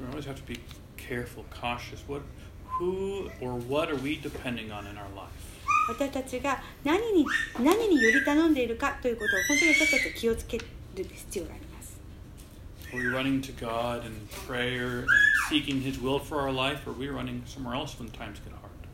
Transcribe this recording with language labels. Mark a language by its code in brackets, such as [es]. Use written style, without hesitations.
[en] So we always have to be careful, cautious. What, who, or what are we depending on in our life? [ja] 私たちが何に寄り頼んでいるかということを本当に私たち気をつける必要があります。 [en] Are we running to God in prayer and seeking His will for our life, or are we running somewhere else when times get hard?